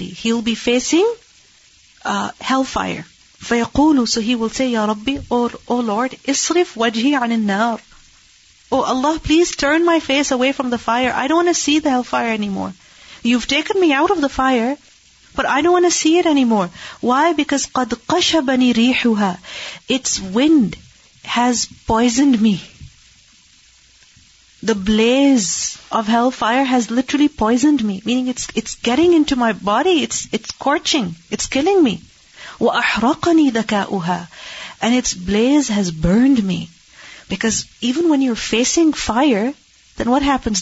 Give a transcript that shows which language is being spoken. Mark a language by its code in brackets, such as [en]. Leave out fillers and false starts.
[en] He'll be facing hellfire. [ar] فَيَقُولُ. [en] So he will say, Ya Rabbi, O Lord, [ar] إِصْرِفْ وَجْهِي عَنِ النَّارِ. [en] Oh Allah, please turn my face away from the fire. I don't want to see the hellfire anymore. You've taken me out of the fire, but I don't want to see it anymore. Why? Because [ar] قَدْ قَشَبَنِي رِيحُهَا. [en] Its wind has poisoned me. The blaze of hellfire has literally poisoned me. Meaning it's getting into my body. It's scorching. It's killing me. [ar] وَأَحْرَقَنِي ذَكَاؤُهَا. [en] And its blaze has burned me. Because even when you're facing fire, then what happens?